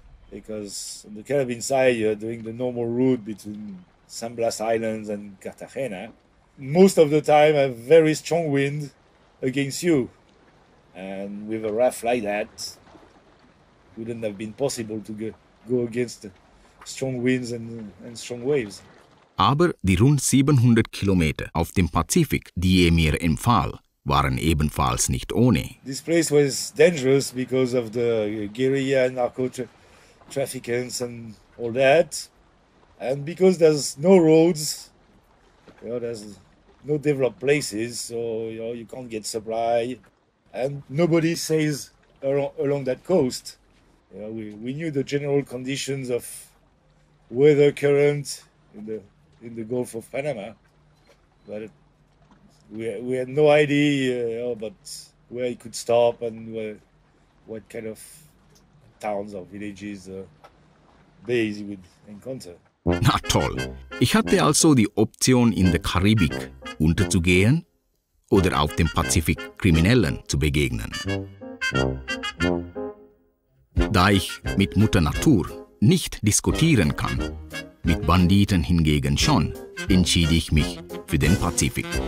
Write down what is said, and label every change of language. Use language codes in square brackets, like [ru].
[en] Because on the Caribbean side, you're doing the normal route between San Blas Islands and Cartagena. Most of the time, a very strong wind against you. And with a raft like that, wouldn't have been possible to go against strong winds and strong waves. [de] Aber die rund 700 Kilometer auf dem Pazifik, die er mir empfahl, waren ebenfalls nicht ohne. [en] This place was dangerous because of the guerrilla and narco-traffickers and all that. And because there's no roads, there's no developed places, so you can't get supply. And nobody sails along that coast. We knew the general conditions of weather current in the Gulf of Panama, but we had no idea about where it could stop and what kind of towns or villages or bays you would encounter. [de] Na toll! Ich hatte also die Option, in der Karibik unterzugehen oder auf dem Pazifik Kriminellen zu begegnen. Da ich mit Mutter Natur nicht diskutieren kann, mit Banditen hingegen schon, entschied ich mich für den Pazifik.